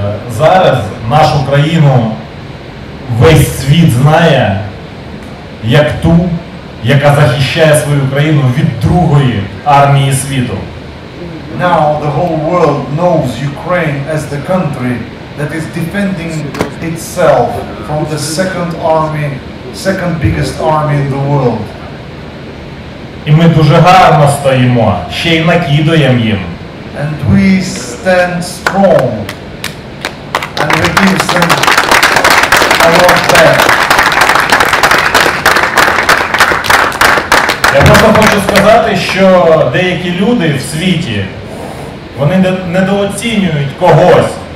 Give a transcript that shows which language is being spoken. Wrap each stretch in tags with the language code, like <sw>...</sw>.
<uk>Зараз нашу країну весь світ знає як ту, яка захищає свою країну від другої армії світу.</uk> <en>now the whole world knows Ukraine as the country that is defending itself from the second biggest army in the world.</en> <uk>І ми дуже гарно стоїмо, ще й накидаємо їм.</uk> <en>And we stand strong. And we give them a lot back.</en> <uk>Я просто хочу сказати, що деякі люди в світі, вони недооцінюють когось.</uk>